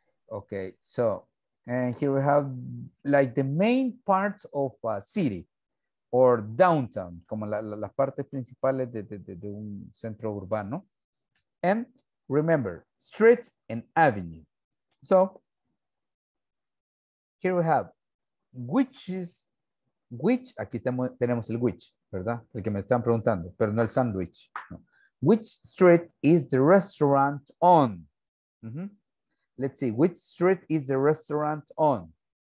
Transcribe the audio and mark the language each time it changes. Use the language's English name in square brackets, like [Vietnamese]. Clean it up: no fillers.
[English] Okay, so, and here we have like the main parts of a city. Or downtown, [Spanish] como las partes principales de un centro urbano. [English] And remember, street and avenue. So, here we have, [Spanish] aquí tenemos el [English] which, [Spanish] ¿verdad? El que me están preguntando, pero no el sandwich. [English] No. Which street is the restaurant on? Mm-hmm. Let's see, which street is the restaurant on?